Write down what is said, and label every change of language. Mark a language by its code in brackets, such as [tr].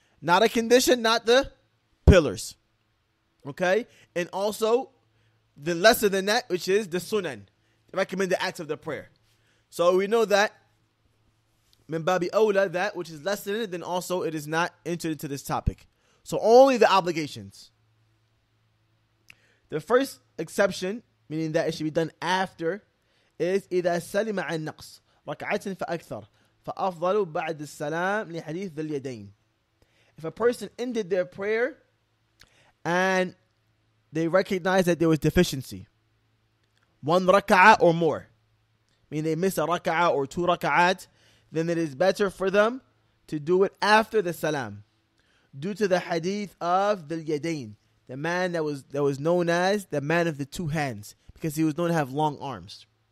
[en] Not a condition, not the pillars. Okay? And also, the lesser than that, which is the sunan, the recommended acts of the prayer. So we know that, [ar] min babi awla, [en] that which is less than it, then also it is not entered into this topic. So only the obligations. The first exception, meaning that it should be done after, is [ar] إِذَا سَلِمَ عَنْ نَقْصِ رَكَعَةٍ فَأَكْثَرْ فَأَفْضَلُ بَعْدِ السَّلَامِ لِحَدِيثِ ذِي الْيَدَيْنِ. [en] If a person ended their prayer and they recognized that there was deficiency, one raka'ah or more, meaning they missed a raka'ah or two raka'at, then it is better for them to do it after the salam, due to the hadith of the yadain, the man that was known as the man of the two hands, because he was known to have long arms.